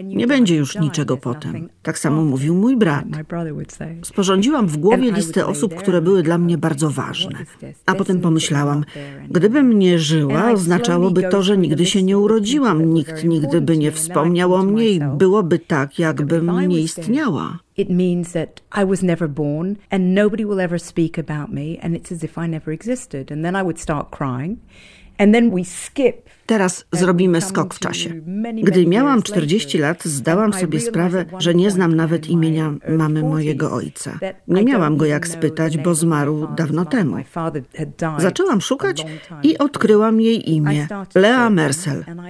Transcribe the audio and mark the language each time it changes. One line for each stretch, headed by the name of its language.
Polish: Nie będzie już niczego potem. Tak samo mówił mój brat. Sporządziłam w głowie listę osób, które były dla mnie bardzo ważne. A potem pomyślałam, gdybym nie żyła, oznaczałoby to, że nigdy się nie urodziłam. Nikt nigdy by nie wspomniał o mnie i byłoby tak, jakbym nie istniała.
English: It means that I was never born and nobody will ever speak about me and it's as if I never existed. And then I would start crying. And then we skip.
Polish: Teraz zrobimy skok w czasie. Gdy miałam 40 lat, zdałam sobie sprawę, że nie znam nawet imienia mamy mojego ojca. Nie miałam go jak spytać, bo zmarł dawno temu. Zaczęłam szukać i odkryłam jej imię, Lea Mercel.